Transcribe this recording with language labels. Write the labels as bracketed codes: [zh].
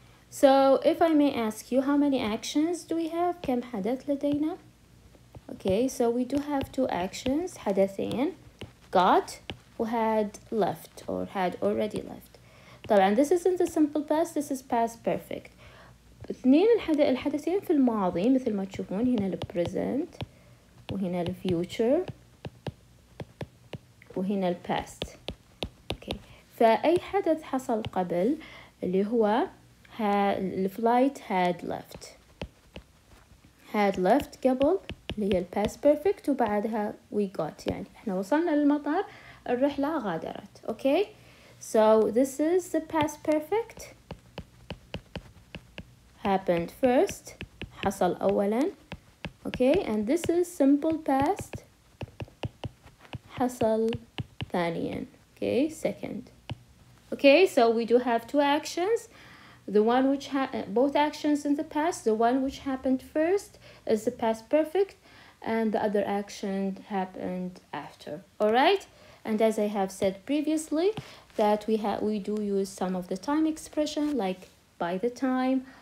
[en] So if I may ask you, how many actions do we have? [ar] كم حدث لدينا? [en] Okay, so we do have two actions, [ar] حدثين, [en] got who had left or had already left. [ar] طبعا [en] this isn't the simple past, this is past perfect. [ar] اثنين الحدثين في الماضي مثل ما تشوفون هنا البريزنت وهنا الفيوتشر وهنا الباست. اوكي فاي حدث حصل قبل اللي هو الفلايت هاد ليفت. [en] هاد ليفت [ar] قبل اللي هي الباست بيرفكت وبعدها [en] we got [ar] يعني احنا وصلنا للمطار الرحله غادرت. [en] Okay so this is the past perfect. Happened first, [ar] حصل أولا, [en] okay, and this is simple past, [ar] حصل ثانيا, [en] okay, second, okay, so we do have two actions, the one which both actions in the past, the one which happened first is the past perfect, and the other action happened after, all right, and as I have said previously, that we do use some of the time expression like by the time.